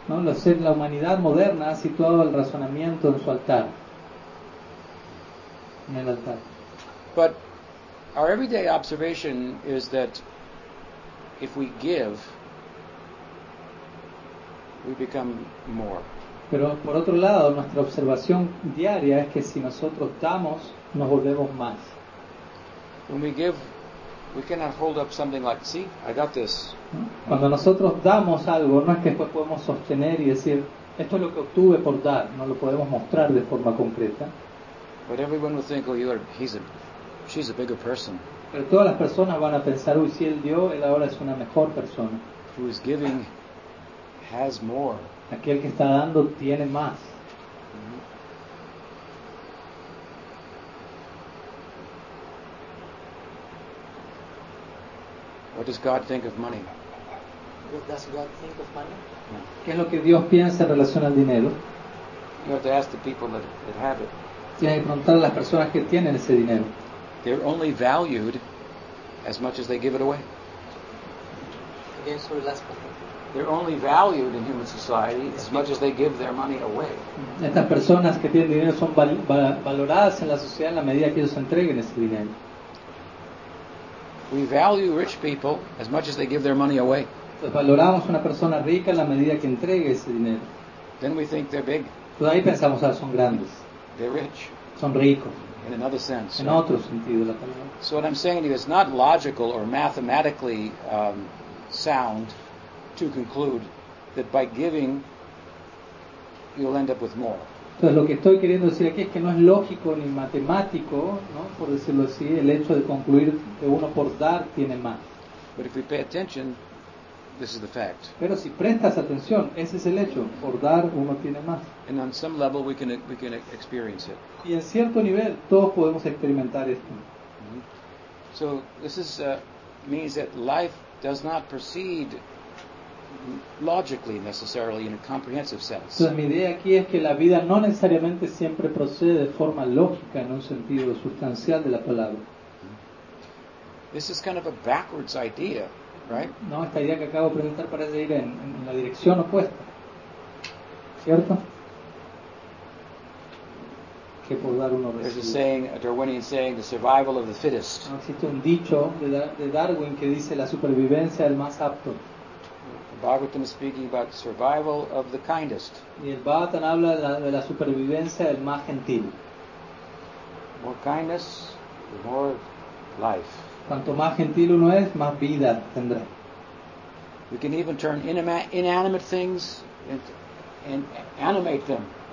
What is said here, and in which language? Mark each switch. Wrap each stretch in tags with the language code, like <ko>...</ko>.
<es>No, la humanidad moderna ha situado el razonamiento en su altar. En el altar.</es> <en>But our everyday observation is that if we give, we become more.</en> <es>Pero por otro lado, nuestra observación diaria es que si nosotros damos, nos volvemos más.</es> <en>When we give, we cannot hold up something like, see, I got this.</en> <es>Cuando nosotros damos algo, no es que después podemos sostener y decir, esto es lo que obtuve por dar, no lo podemos mostrar de forma concreta.</es> <en>But everyone will think, oh, you are, he's a, she's a bigger person.</en> <es>Pero todas las personas van a pensar, uy, si él dio, él ahora es una mejor persona.</es> <en>Who is giving has more.</en> <es>Aquel que está dando tiene más.</es> <en>What does God think of money? What does God think of money?</en> <es>¿Qué es lo que Dios piensa en relación al dinero?</es> <en>You have to ask the people that, that have it.</en> <es>Tienes que preguntar a las personas que tienen ese dinero.</es> <en>They're only valued as much as they give it away. Again, sorry, last question. They're only valued in human society as much as they give their money away.</en> <es>Estas personas que tienen dinero son valoradas en la sociedad en la medida que ellos entreguen ese dinero.</es> <en>We value rich people as much as they give their money away.</en> <es>Valoramos una persona rica en la medida que entregue ese dinero.</es> <en>Then we think they're big.</en> <es>Pues ahí pensamos, son grandes.</es> <en>They're rich.</en> <es>Son ricos.</es> <en>In another sense.</en> <es>En otro sentido, la palabra.</es> <en>So what I'm saying to you is not logical or mathematically sound to conclude that by giving you'll end up with more.</en> <es>Entonces lo que estoy queriendo decir aquí es que no es lógico ni matemático, ¿no? Por decirlo así, el hecho de concluir que uno por dar tiene más.</es> <en>But if we pay attention, this is the fact.</en> <es>Pero si prestas atención, ese es el hecho, por dar uno tiene más.</es> <en>And on some level we can experience it.</en> <es>Y en cierto nivel todos podemos experimentar esto. Mm-hmm.</es> <en>So this is means that life does not proceed logically, necessarily, in a comprehensive sense.</en> <es>Entonces, mi idea aquí es que la vida no necesariamente siempre procede de forma lógica en un sentido sustancial de la palabra.</es> <en>This is kind of a backwards idea, right?</en> <es>No, esta idea que acabo de presentar parece ir en la dirección opuesta, ¿cierto? Que por dar uno recibe.</es> <en>There's a saying, a Darwinian saying, the survival of the fittest.</en> <es>No, existe un dicho de Darwin que dice la supervivencia del más apto.</es> <en>Bhagavatam is speaking about survival of the kindest.</en> <es>Y el Bhagavatam habla de la supervivencia del más gentil.</es> <en>More kindness, more life.</en> <es>Cuanto más gentil uno es, más vida tendrá.</es> <en>We can even turn inanimate things and animate them.</en>